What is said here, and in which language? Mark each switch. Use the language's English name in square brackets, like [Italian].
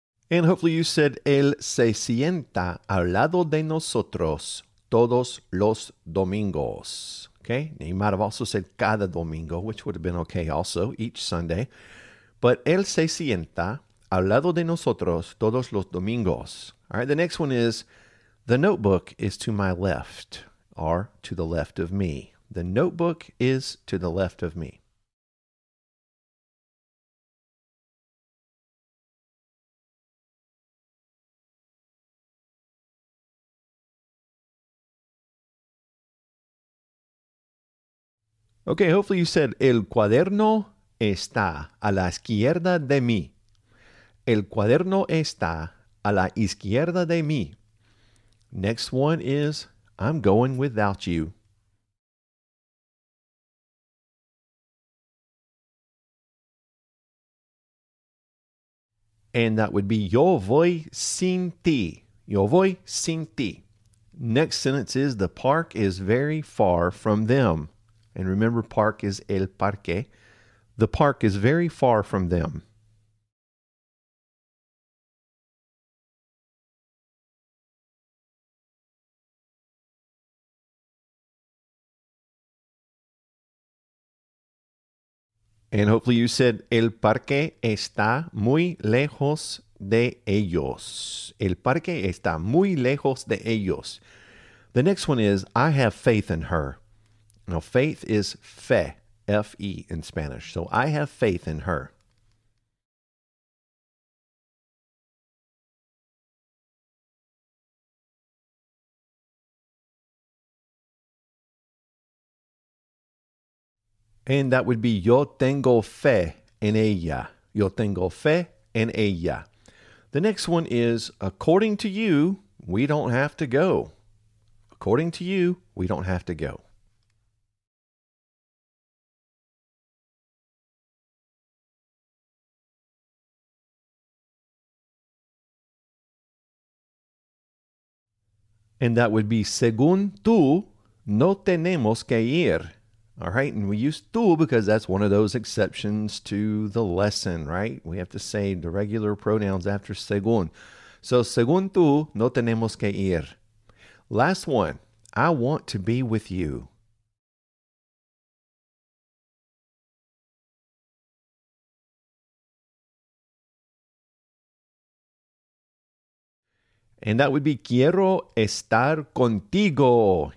[English] And hopefully you said, [Spanish] él se sienta al lado de nosotros todos los domingos. [English] Okay, now you might have also said [Spanish] cada domingo, [English] which would have been okay also, each Sunday. [Spanish] But él se sienta al lado de nosotros todos los domingos. [English] All right, the next one is, the notebook is to my left, or to the left of me. The notebook is to the left of me. Okay, hopefully you said, [Spanish] el cuaderno está a la izquierda de mí. El cuaderno está a la izquierda de mí. [English] Next one is, I'm going without you. And that would be, [Spanish] yo voy sin ti. Yo voy sin ti. [English] Next sentence is, the park is very far from them. And remember, park is el parque. The park is very far from them. And hopefully you said, [Spanish] el parque está muy lejos de ellos. El parque está muy lejos de ellos. [English] The next one is, I have faith in her. Now, faith is fe, F-E in Spanish. So, I have faith in her. And that would be, [Spanish] yo tengo fe en ella. Yo tengo fe en ella. [English] The next one is, according to you, we don't have to go. According to you, we don't have to go. And that would be, [Spanish] según tú, no tenemos que ir. [English] All right, and we use tú because that's one of those exceptions to the lesson, right? We have to say the regular pronouns after según. [Spanish] So, según tú, no tenemos que ir. [English] Last one, I want to be with you. And that would be, [Spanish] quiero estar contigo.